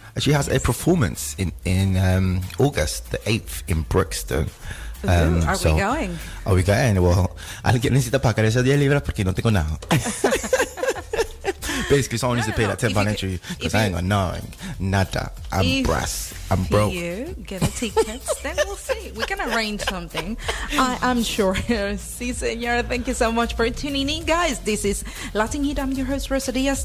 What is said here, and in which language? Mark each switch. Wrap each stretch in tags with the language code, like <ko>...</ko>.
<en>And she has a performance in August the 8th in Brixton. Are we going?</en> <es>Well, alguien necesita pagar ese 10 libras porque no tengo nada.</es> <en>Basically, someone needs to pay that £10 entry because I ain't got nothing.</en> <es>Nada.</es> <en>I'm broke. You get a ticket, then we'll see. We can arrange something. I am sure.</en> <es>Sí, señor.</es> <en>Thank you so much for tuning in, guys. This is Latin Heat. I'm your host, Rosa Diaz.</en>